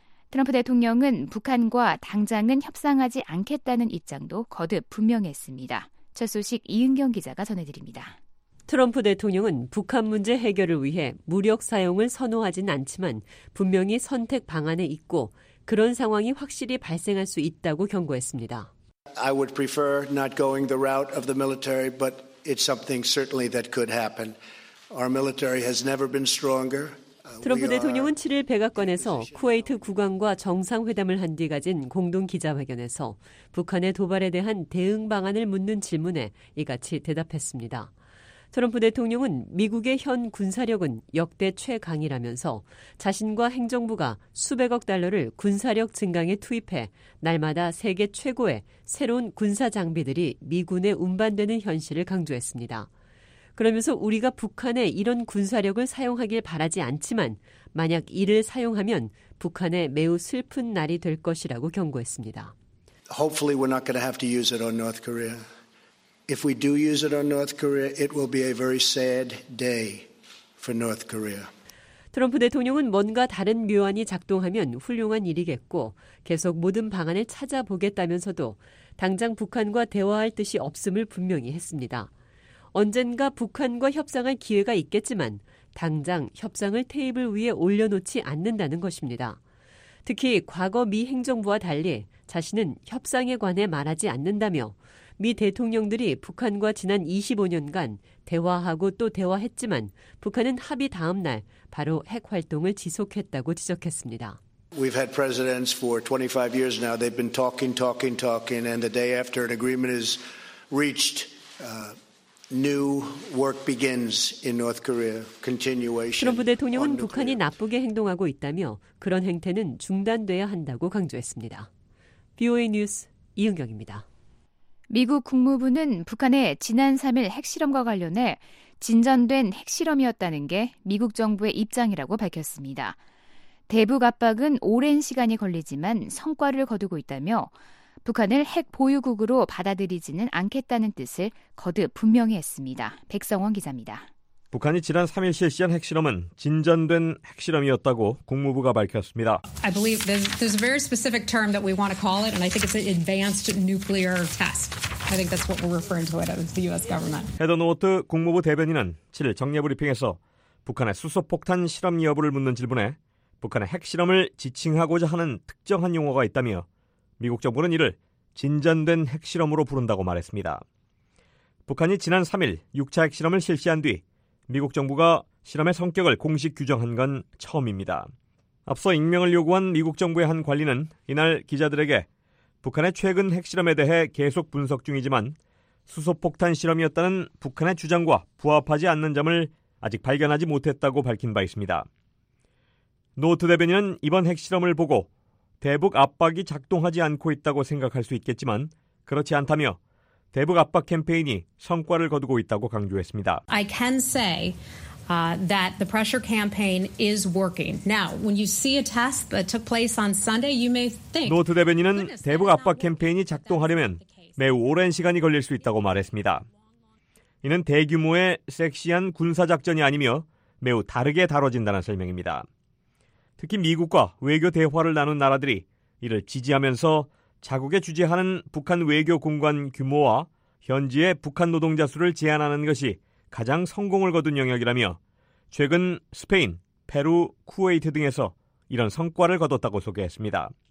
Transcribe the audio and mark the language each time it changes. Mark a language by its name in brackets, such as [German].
[Korean] 트럼프 대통령은 북한과 당장은 협상하지 않겠다는 입장도 거듭 분명했습니다. 첫 소식 이은경 기자가 전해드립니다. 트럼프 대통령은 북한 문제 해결을 위해 무력 사용을 선호하진 않지만 분명히 선택 방안에 있고 그런 상황이 확실히 발생할 수 있다고 경고했습니다. [English] I would prefer not going the route of the military, but it's something certainly that could happen. Our military has never been stronger. [Korean] 트럼프 대통령은 7일 백악관에서 쿠웨이트 국왕과 정상회담을 한 뒤 가진 공동 기자회견에서 북한의 도발에 대한 대응 방안을 묻는 질문에 이같이 대답했습니다. 트럼프 대통령은 미국의 현 군사력은 역대 최강이라면서 자신과 행정부가 수백억 달러를 군사력 증강에 투입해 날마다 세계 최고의 새로운 군사 장비들이 미군에 운반되는 현실을 강조했습니다. 그러면서 우리가 북한에 이런 군사력을 사용하길 바라지 않지만 만약 이를 사용하면 북한에 매우 슬픈 날이 될 것이라고 경고했습니다. [English] Hopefully we're not going to have to use it on North Korea. If we do use it on North Korea, it will be a very sad day for North Korea. [Korean] 트럼프 대통령은 뭔가 다른 묘안이 작동하면 훌륭한 일이겠고 계속 모든 방안을 찾아보겠다면서도 당장 북한과 대화할 뜻이 없음을 분명히 했습니다. 언젠가 북한과 협상할 기회가 있겠지만 당장 협상을 테이블 위에 올려놓지 않는다는 것입니다. 특히 과거 미 행정부와 달리 자신은 협상에 관해 말하지 않는다며 미 대통령들이 북한과 지난 25년간 대화하고 또 대화했지만 북한은 합의 다음 날 바로 핵 활동을 지속했다고 지적했습니다. [English] We've had presidents for 25 years now. They've been talking and the day after an agreement is reached, new work begins in North Korea. Continuation. [Korean] 트럼프 대통령은 북한이 나쁘게 행동하고 있다며 그런 행태는 중단돼야 한다고 강조했습니다. BOA 뉴스 이은경입니다. 미국 국무부는 북한의 지난 3일 핵실험과 관련해 진전된 핵실험이었다는 게 미국 정부의 입장이라고 밝혔습니다. 대북 압박은 오랜 시간이 걸리지만 성과를 거두고 있다며 북한을 핵 보유국으로 받아들이지는 않겠다는 뜻을 거듭 분명히 했습니다. 백성원 기자입니다. 북한이 지난 3일 실시한 핵실험은 진전된 핵실험이었다고 국무부가 밝혔습니다. [English] I believe there's a very specific term that we want to call it, and I think it's an advanced nuclear test. I think that's what we're referring to it as the U.S. government. [Korean] 헤더 노트 국무부 대변인은 7일 정례 브리핑에서 북한의 수소폭탄 실험 여부를 묻는 질문에 북한의 핵실험을 지칭하고자 하는 특정한 용어가 있다며 미국 정부는 이를 진전된 핵실험으로 부른다고 말했습니다. 북한이 지난 3일 6차 핵실험을 실시한 뒤 미국 정부가 실험의 성격을 공식 규정한 건 처음입니다. 앞서 익명을 요구한 미국 정부의 한 관리는 이날 기자들에게 북한의 최근 핵실험에 대해 계속 분석 중이지만 수소폭탄 실험이었다는 북한의 주장과 부합하지 않는 점을 아직 발견하지 못했다고 밝힌 바 있습니다. 노트 대변인은 이번 핵실험을 보고 대북 압박이 작동하지 않고 있다고 생각할 수 있겠지만 그렇지 않다며 대북 압박 캠페인이 성과를 거두고 있다고 강조했습니다. [English] I can say that the pressure campaign is working. Now, when you see a test that took place on Sunday, you may think. [Korean] 노트 대변인은 대북 압박 캠페인이 작동하려면 매우 오랜 시간이 걸릴 수 있다고 말했습니다. 이는 대규모의 섹시한 군사작전이 아니며 매우 다르게 다뤄진다는 설명입니다. 특히 미국과 외교 대화를 나눈 나라들이 이를 지지하면서 자국에 주재하는 북한 외교 공관 규모와 현지의 북한 노동자 수를 제한하는 것이 가장 성공을 거둔 영역이라며 최근 스페인, 페루, 쿠웨이트 등에서 이런 성과를 거뒀다고 소개했습니다.